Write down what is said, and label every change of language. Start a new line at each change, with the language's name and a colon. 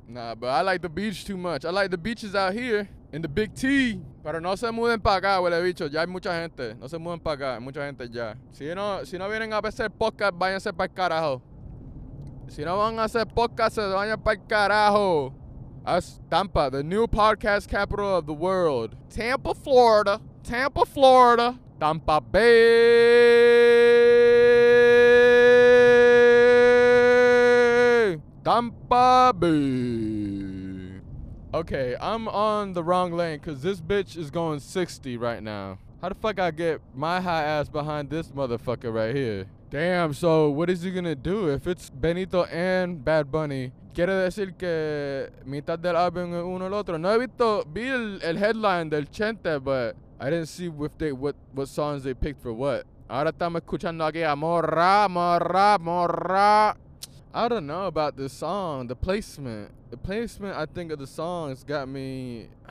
English: Nah, but I like the beach too much. I like the beaches out here in the big T.
Spanish: Pero no se muden para acá, huele bicho. Ya hay mucha gente. No se muden para acá. Hay mucha gente ya. Si no vienen a hacer podcast, váyanse para el carajo. Si no van a hacer podcast, se vayan para el carajo.
English: That's Tampa, the new podcast capital of the world. Tampa, Florida. Tampa, Florida. Tampa Bay! Tampa Bay! Okay, I'm on the wrong lane because this bitch is going 60 right now. How the fuck I get my high ass behind this motherfucker right here? Damn, so what is he gonna do if it's Benito and Bad Bunny?
Spanish: Quiere decir que mitad del álbum es uno el otro. No he visto, vi el headline del Chente,
English: but I didn't see what songs they picked for what.
Spanish: Ahora estamos escuchando aquí a Morra, Morra, Morra.
English: I don't know about this song, the placement. The placement, I think, of the songs got me.